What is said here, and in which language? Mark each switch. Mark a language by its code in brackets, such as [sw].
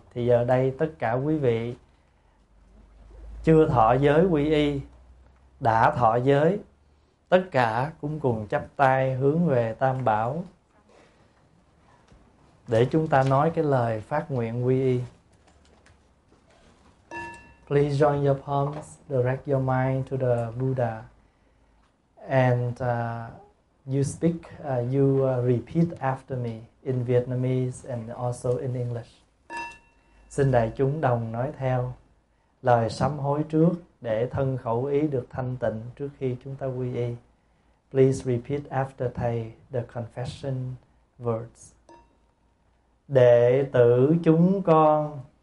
[vi] Thì giờ đây tất cả quý vị chưa thọ giới quy y, đã thọ giới, tất cả cũng cùng chắp tay hướng về Tam Bảo để chúng ta nói cái lời phát nguyện quy y. [en] Please join your palms, direct your mind to the Buddha, and you repeat after me in Vietnamese and also in English. [vi] Xin đại chúng đồng nói theo lời sám hối trước để thân khẩu ý được thanh tịnh trước khi chúng ta quy y. [en] Please repeat after thầy the confession words. [vi] Đệ tử chúng con,